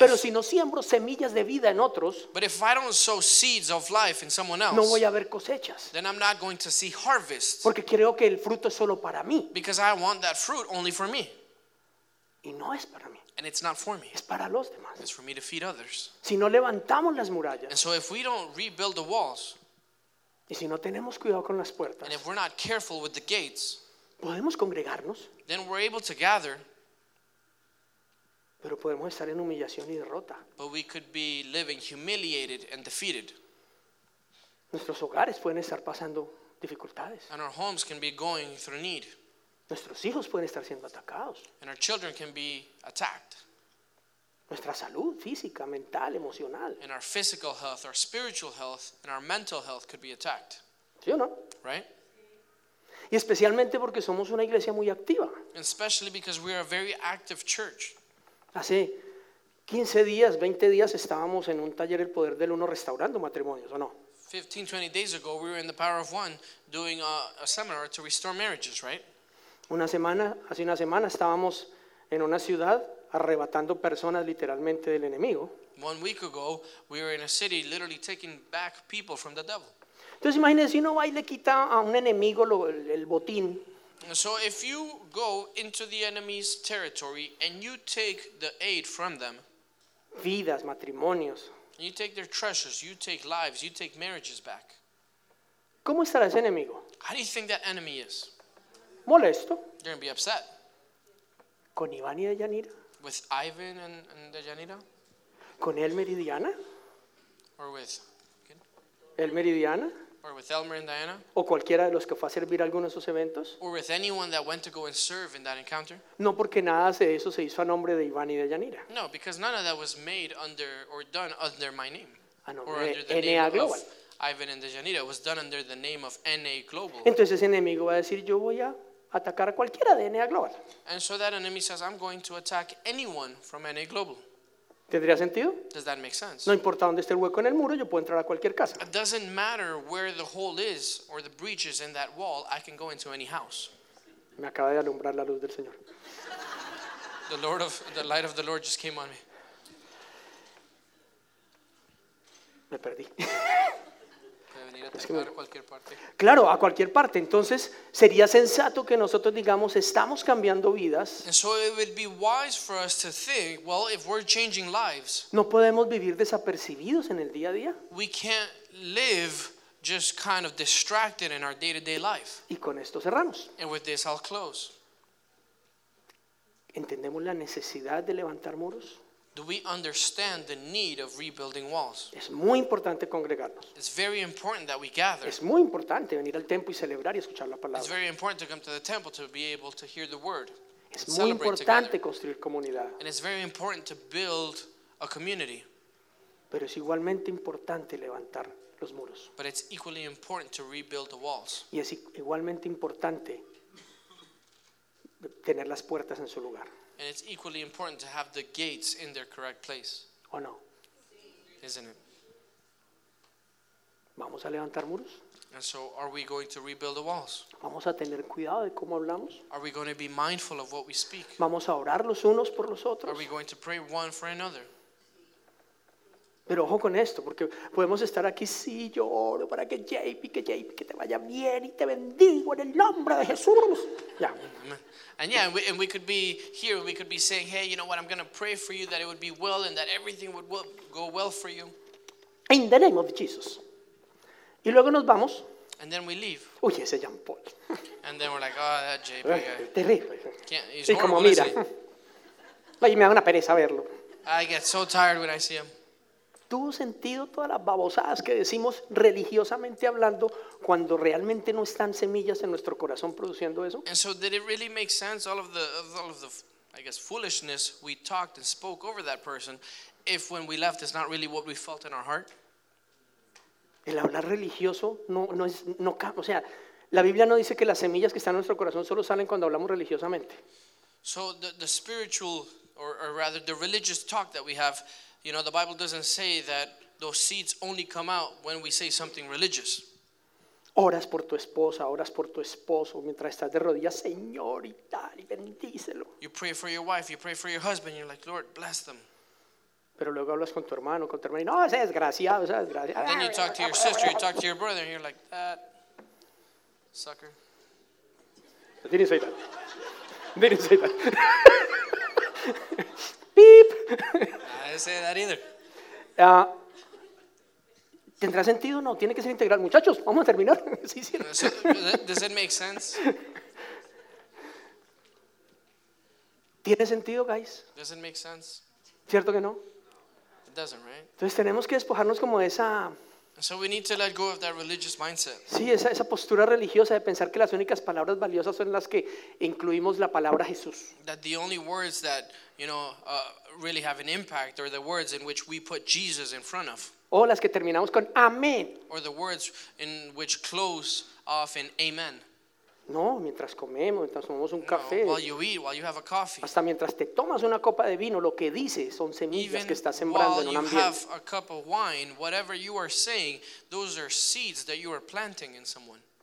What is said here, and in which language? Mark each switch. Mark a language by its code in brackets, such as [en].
[es] Pero si no siembro semillas de vida en otros. [en] But if I don't sow seeds of life in someone else. [es] No voy a ver cosechas. [en] Then I'm not going to see harvests. [es] Porque creo que el fruto es solo para mí. [en] Because I want that fruit only for me. [es] Y no es para mí. [en] And it's not for me. [es] Es para los demás. [en] It's for me to feed others. [es] Si no levantamos las murallas. [en] And so if we don't rebuild the walls. [es] Y si no tenemos cuidado con las puertas, [en] and if we're not careful with the gates, [es] podemos congregarnos, [en] then we're able to gather, [es] pero podemos estar en humillación y derrota. [en] But we could be living humiliated and defeated. [es] Nuestros hogares pueden estar pasando dificultades. [en] And our homes can be going through need. [es] Nuestros hijos pueden estar siendo atacados. [en] And our children can be attacked. [es] Nuestra salud física, mental, emocional. [en] And our physical health, our spiritual health, and our mental health could be attacked. [es] ¿Sí o no? [en] Right? [es] Y especialmente porque somos una iglesia muy activa. [en] And especially because we are a very active church. [es] Hace 15 días, 20 días estábamos en un taller El Poder del Uno restaurando matrimonios, ¿o no? [en] 15, 20 days ago, we were in the Power of One doing a seminar to restore marriages, right? [es] Hace una semana estábamos en una ciudad arrebatando personas literalmente del enemigo. [en] One week ago, we were in a city literally taking back people from the devil. [es] Entonces imagínense, si uno va y le quita a un enemigo el botín. [en] So if you go into the enemy's territory and you take the aid from them, [es] vidas, matrimonios, [en] you take their treasures, you take lives, you take marriages back. [es] ¿Cómo estará ese enemigo? [en] How do you think that enemy is? [es] Molesto. [en] They're going to be upset. [es] ¿Con Iván y Deyanira? [en] With Ivan and Deyanira? [es] ¿Con El Meridiana? [en] Or with [es] El Meridiana? [en] Or with Elmer and Diana? [es] ¿O cualquiera de los que fue a servir a alguno de esos eventos? [en] Or with anyone that went to go and serve in that encounter? [es] No, porque nada de eso se hizo a nombre de Iván y de Yanira. [en] No, because none of that was made under or done under my name. [es] A nombre [en] or under the NA name Global. Of Ivan and de Yanira. It was done under the name of NA Global. [es] Entonces ese enemigo va a decir, yo voy a atacar a cualquiera de NA Global. [en] And so that enemy says, I'm going to attack anyone from NA Global. [es] ¿Tendría sentido? [en] Does that make sense? [es] No importa dónde esté el hueco en el muro, yo puedo entrar a cualquier casa. [en] It doesn't matter where the hole is or the breach is in that wall, I can go into any house. [es] Me acaba de alumbrar la luz del Señor. [en] The light of the Lord just came on me. [es] Me perdí. Es que cualquier parte. Claro, a cualquier parte. Entonces, sería sensato que nosotros digamos, estamos cambiando vidas. [en] And so it would be wise for us to think, well, if we're changing lives, [es] no podemos vivir desapercibidos en el día a día. [en] We can't live just kind of distracted in our day-to-day life. [es] Y con esto cerramos. [en] And with this, I'll close. [es] ¿Entendemos la necesidad de levantar muros? [en] Do we understand the need of rebuilding walls? [es] Es muy importante congregarnos. [en] It's very important that we gather. [es] Es muy importante venir al templo y celebrar y escuchar la palabra. [en] It's very important to come to the temple to be able to hear the word. [es] Es muy importante construir comunidad. [en] And it's very important to build a community. [es] Pero es igualmente importante levantar los muros. [en] But it's equally important to rebuild the walls. [es] Y es igualmente importante tener las puertas en su lugar. [en] And it's equally important to have the gates in their correct place. Oh no. Isn't it? [es] ¿Vamos a levantar muros? [en] And so are we going to rebuild the walls? [es] ¿Vamos a tener cuidado de cómo hablamos? [en] Are we going to be mindful of what we speak? [es] ¿Vamos a orar los unos por los otros? [en] Are we going to pray one for another? [es] Pero ojo con esto, porque podemos estar aquí, sí, yo oro para que JP, que te vaya bien y te bendigo en el nombre de Jesús. Ya. [en] And yeah, and we could be here, we could be saying, hey, you know what, I'm going to pray for you that it would be well and that everything would go well for you. In the name of Jesus. [es] Y luego nos vamos. [en] And then we leave. [es] Uy, ese Jean Paul. [en] And then we're like, oh, that JP guy. [es] Terrible. [en] He's horrible, [es] como mira. Ay, me da una pereza verlo. [en] I get so tired when I see him. [es] ¿Tuvo sentido todas las babosadas que decimos religiosamente hablando cuando realmente no están semillas en nuestro corazón produciendo eso? [en] And so did it really make sense, all of the I guess foolishness we talked and spoke over that person, if when we left it's not really what we felt in our heart? [es] El hablar religioso no o sea, la Biblia no dice que las semillas que están en nuestro corazón solo salen cuando hablamos religiosamente. [en] So the spiritual or rather the religious talk that we have, you know, the Bible doesn't say that those seeds only come out when we say something religious. [es] Oras por tu esposa, oras por tu esposo, mientras estás de rodillas, Señor, y tal, y bendícelo. [en] You pray for your wife, you pray for your husband, you're like, Lord, bless them. [es] Pero luego hablas con tu hermano, con tu hermana, y no, ese es graciado, ese es graciado. [en] Then you talk to your sister, you talk to your brother, and you're like, that sucker. Didn't say that. Beep. I didn't say that either. [es] ¿Tendrá sentido? No, tiene que ser integral. Muchachos, vamos a terminar. Sí, sí. [en] Does it make sense? [es] ¿Tiene sentido, guys? [en] Does it make sense? [es] ¿Cierto que no? [en] It doesn't, right? [es] Entonces tenemos que despojarnos como de esa... [en] So we need to let go of that religious mindset. [es] Sí, esa postura religiosa de pensar que las únicas palabras valiosas son las que incluimos la palabra Jesús. [en] That the only words that, you know, really have an impact are the words in which we put Jesus in front of. [es] O las que terminamos con amén. [en] Or the words in which close off in amen. [es] No, mientras comemos, mientras tomamos un café. [en] No, while you eat, while you have a coffee. [es] Hasta mientras te tomas una copa de vino, lo que dices son semillas [en] Even [es] que estás sembrando en un ambiente. [en] While you have a cup of wine, whatever you are saying, those are seeds that you are planting in someone.